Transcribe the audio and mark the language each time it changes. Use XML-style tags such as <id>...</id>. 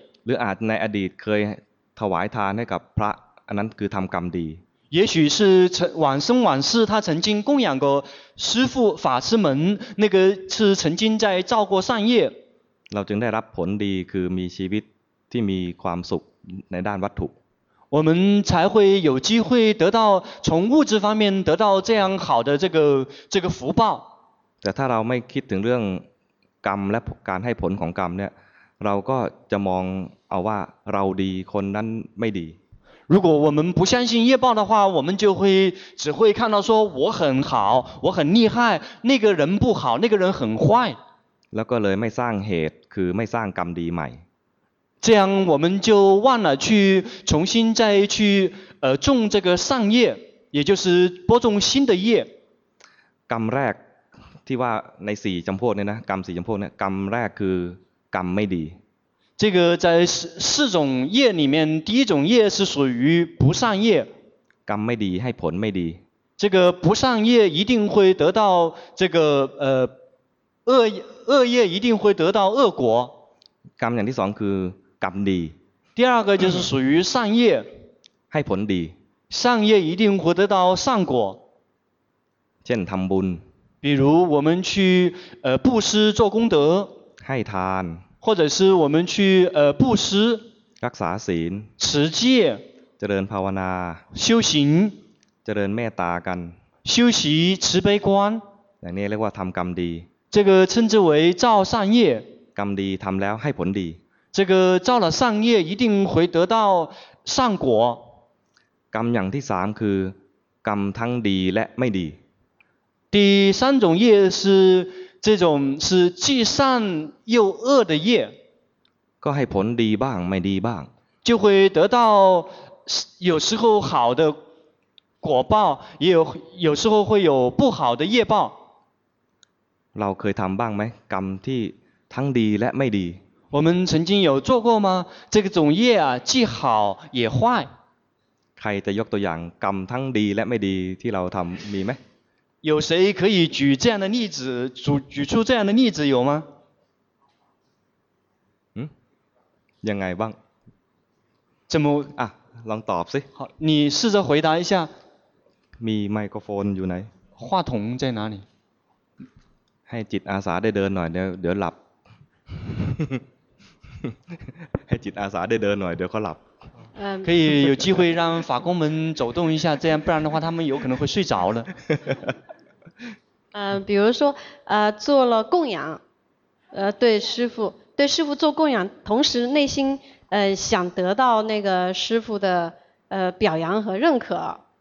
<th>หรืออาจในอดีตเคยถวายทานให้กับพระอันนั้นคือทำกรรมดี。</th> <zh>也许是往生往世，他曾经供养过师父法师们，那个是曾经在造过善业。</zh> <th>เราจึงได้รับผลดีคือมีชีวิตที่มีความสุขในด้านวัตถุ。</th> <zh>我们才会有机会得到从物质方面得到这样好的这个福报。</zh> <th>แต่ถ้าเราไม่คิดถึงเรื่องกรรมและการให้ผลของกรรมเนี่ยเราก็จะมองเอาว่าเราดีคนนั้นไม่ดี</th> <zh>如果我们不相信业报的话，我们就会只会看到说我很好，我很厉害，那个人不好，那个人很坏。</zh> <th>แล้วก็เลยไม่สร้างเหตุคือไม่สร้างกรรมดีใหม่</th> <zh>这样我们就忘了去重新再去种这个善业，也就是播种新的业。</zh> <th>กรรมแรกที่ว่าใน4จําพวกเนี่ยนะกรรม4จําพวกเนี่ยกรรมแรกคือกรรมไม่ดี。</th> <zh>这个在四种业里面，第一种业是属于不善业。</zh> <th>กรรมไม่ดีให้ผลไม่ดี。</th> <zh>这个不善业一定会得到这个恶业一定会得到恶果。</zh> <th>กรรมอย่างที่สองคือกรรมดี</th> <zh>第二个就是属于善业</zh> <th>ให้ผลดี</th> <zh>善业一定会得到善果</zh> <th>เช่นทำบุญ</th> <zh>比如我们去布施做功德</zh> <th>ให้ทาน</th> <zh>或者是我们去布施</zh> <th>รักษาศีล</th> <zh>持戒</zh> <th>เจริญภาวนา</th> <zh>修行</zh> <th>เจริญเมตตากัน</th> <zh>修习慈悲观</zh> <th>อย่างนี้เรียกว่าทำกรรมดี</th> <zh>这个称之为造善业</zh> <th>กรรมดีทำแล้วให้ผลดี</th> <zh>这个造了善业一定会得到善果</zh> <th>กรรมอย่างที่3คือกรรมทั้งดีและไม่ดี</th> <zh>第三种业是这种是既善又恶的业</zh> <th>ก็ให้ผลดีบ้างไม่ดีบ้าง</th> <zh>就会得到有时候好的果报也有时候会有不好的业报</zh> <th>เราเคยทำบ้างไหมกรรมที่ทั้งดีและไม่ดี</th> <zh>我们曾经有做过吗这个种业啊既好也坏</zh> <th>ใครจะยกตัวอย่างกรรมทั้งดีและไม่ดีที่เราทำมีไหม</th> <zh>有谁可以举这样的例子 举出这样的例子有吗</zh> <th>ยังไงบ้าง</th> <zh>怎么</zh> <th>啊ลองตอบสิ</th> <zh>好你试着回答一下</zh> <th>มีไมโครโฟนอยู่ไหน</th> <zh>话筒在哪里</zh> <th>ให้จิตอาสาได้เดินหน่อยเดี๋ยวหลับ ให้จิตอาสาได้เดินหน่อยเดี๋ยวเขาหลับ</th> <zh>可以有机会让法工们走动一下这样不然的话他们有可能会睡着了比如说做了供养对师父做供养同时内心想得到那个师父的表扬和认可</zh>